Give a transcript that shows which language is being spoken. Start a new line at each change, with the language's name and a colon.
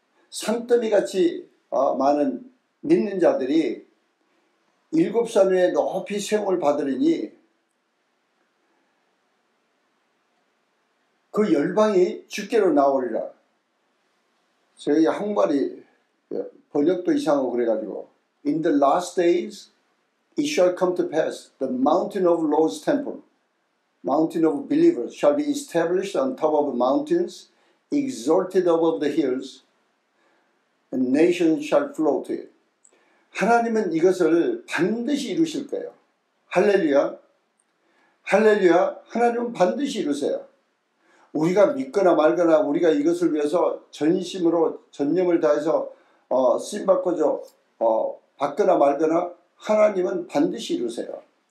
Korean: 산더미 같이 많은 믿는 자들이 일곱 산 위에 높이 세움을 받으리니 그 열방이 주께로 나오리라. 저희 한국말이 번역도 이상하고 그래가지고
English: In the last days it shall come to pass the mountain of the Lord's temple mountain of believers shall be established on top of the mountains exalted above the hills and nations shall flow to it.
Korean: 하나님은 이것을 반드시 이루실 거예요. 할렐루야. 할렐루야. 하나님은 반드시 이루세요. 우리가 믿거나 말거나 우리가 이것을 위해서 전심으로 전념을 다해서 쓰임받고 받거나 말거나 하나님은 반드시 이루세요.